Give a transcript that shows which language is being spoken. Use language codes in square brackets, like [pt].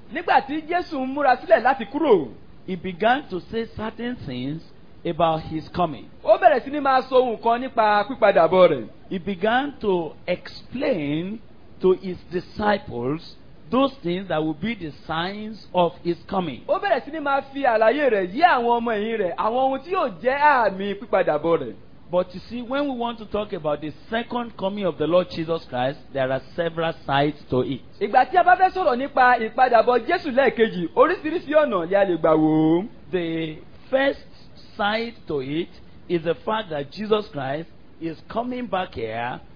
[yo] nígbà tí Jésù ń múra sílẹ̀ láti kúrò, [en] he began to say certain things about his coming. [yo] Ó bẹ̀rẹ̀ sí ní máa sọ ohun kan nípa pípadàbọ̀ rẹ̀. [en] He began to explain to his disciples those things that will be the signs of his coming. [yo] Ó bẹ̀rẹ̀ sí ní máa fi àlàyé rẹ̀ yí àwọn ọmọ ẹ̀yìn rẹ̀, àwọn ohun tí yóò jẹ́ àmì pípadàbọ̀ rẹ̀. [en] But you see, when we want to talk about the second coming of the Lord Jesus Christ, there are several sides to it. [yo] Ìgbà tí a bá fẹ́ sọ̀rọ̀ nípa ìpadàbọ̀ Jésù lẹ́ẹ̀kejì, oríṣiríṣi ọ̀nà ni a lè gbà wò. [en] The first side to it is the fact that Jesus Christ is coming back here